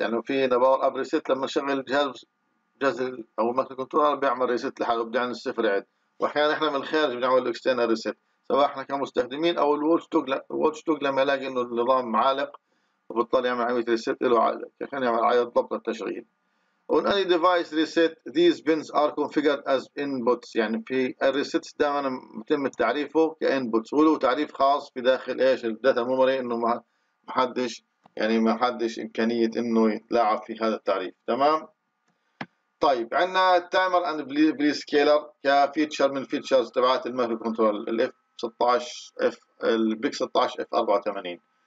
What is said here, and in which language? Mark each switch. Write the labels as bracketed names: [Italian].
[Arabic] يعني في هنا باور اب ريست لما نشغل الجهاز او المايكرو كنترولر بيعمل ريست لحاله بيرجع للصفر عاد، واحيانا احنا من الخارج بنعمل اكسترنال ريست سواء احنا كمستخدمين او الواتش دوك. الواتش دوك لما يلاقي انه النظام عالق وبالتالي يعمل عملية ريسيت له عادة، كان يعمل عادة ضبط التشغيل. [English] On any device reset, these pins are configured as inputs. [Arabic] يعني في الريسيت دائما يتم تعريفه كانبوتس، وله تعريف خاص في داخل ايش الداتا ميموري انه ما حدش يعني ما حدش امكانية انه يتلاعب في هذا التعريف. تمام. طيب عندنا التايمر اند بري سكيلر كفيتشر من فيتشرز تبعات المايكرو كنترول ال F16F البيك 16F84.